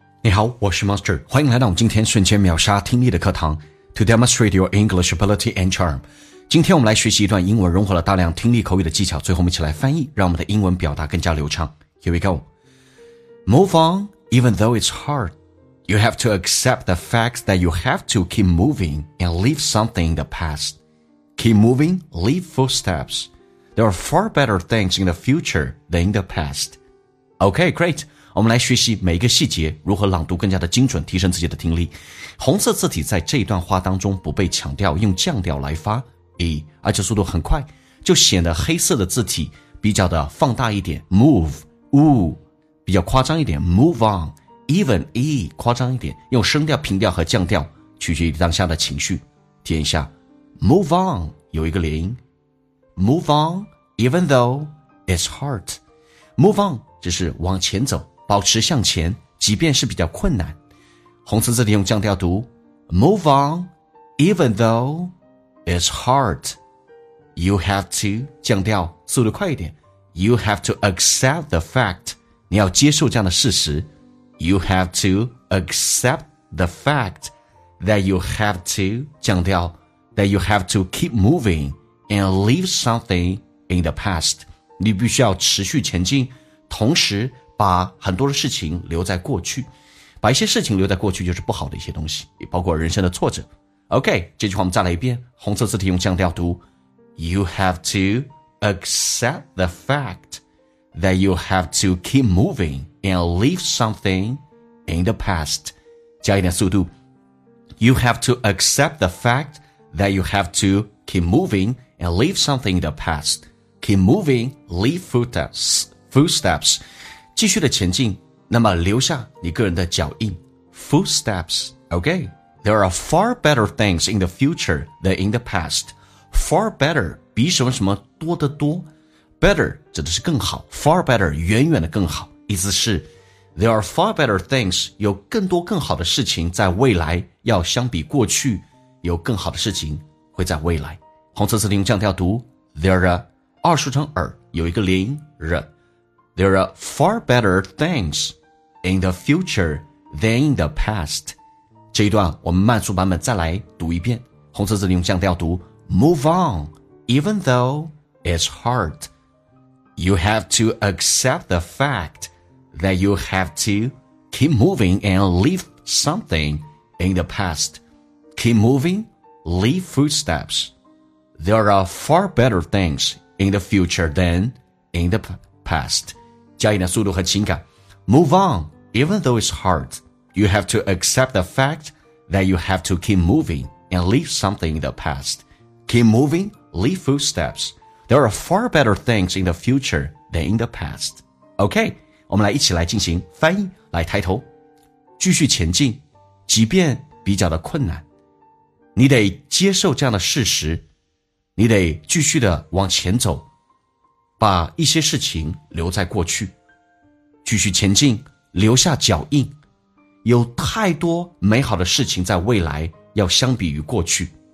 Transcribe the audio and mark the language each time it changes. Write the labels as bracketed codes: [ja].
[zh] 你好，我是 Monster， 欢迎来到今天瞬间秒杀听力的课堂 [en] To demonstrate your English ability and charm。 [zh] 今天我们来学习一段英文融合了大量听力口语的技巧，最后我们一起来翻译，让我们的英文表达更加流畅。 [en] Here we go. Move on, even though it's hard. You have to accept the fact that you have to keep moving and leave something in the past. Keep moving, leave footsteps. There are far better things in the future than in the past. Okay, great. [zh] 我们来学习每一个细节，如何朗读更加的精准，提升自己的听力。红色字体在这一段话当中不被强调，用降调来发，而且速度很快，就显得黑色的字体比较的放大一点。 Move, ooh, 比较夸张一点。 [en] Move on, even e, [zh] 夸张一点，用声调、平调和降调取决于当下的情绪。体验一下 ，Move on 有一个连音 ， [en] Move on, even though it's hard, move on [zh] 只是往前走。保持向前，即便是比较困难。红色字体用降调读 [en] ，Move on, even though it's hard. You have to [zh] 降调，速度快一点。 [en] You have to accept the fact. [zh] 你要接受这样的事实。 [en] You have to accept the fact that you have to [zh] 降调 [en] that you have to keep moving and leave something in the past. [zh] 你必须要持续前进，同时。把很多的事情留在过去，把一些事情留在过去就是不好的一些东西，也包括人生的挫折。 OK， 这句话我们再来一遍，红色字体用降调读 [en] You have to accept the fact that you have to keep moving and leave something in the past， [zh] 加一点速度 [en] You have to accept the fact that you have to keep moving and leave something in the past. Keep moving, leave footsteps. [zh] 继续的前进，那么留下你个人的脚印 [en] Footsteps OK There are far better things in the future than in the past. [zh] Far better 比什么什么多得多， Better 指的是更好， Far better 远远的更好，意思是 [en] There are far better things， [zh] 有更多更好的事情在未来，要相比过去有更好的事情会在未来。红色字体用降调读 [en] There are [zh] 二竖成耳，有一个连音 R。 [en] There are far better things in the future than in the past. [zh] 这一段我们慢速版本再来读一遍。红色字体用降调读 [en] Move on, even though it's hard. You have to accept the fact that you have to keep moving and leave something in the past. Keep moving, leave footsteps. There are far better things in the future than in the past. [zh] 加一点速度和情感 [en] Move on, even though it's hard. You have to accept the fact that you have to keep moving and leave something in the past. Keep moving, leave footsteps. There are far better things in the future than in the past. [zh] OK, 我们来一起来进行翻译，来抬头，继续前进，即便比较的困难，你得接受这样的事实，你得继续的往前走，把一些事情留在过去，继续前进，留下脚印，有太多美好的事情在未来，要相比于过去。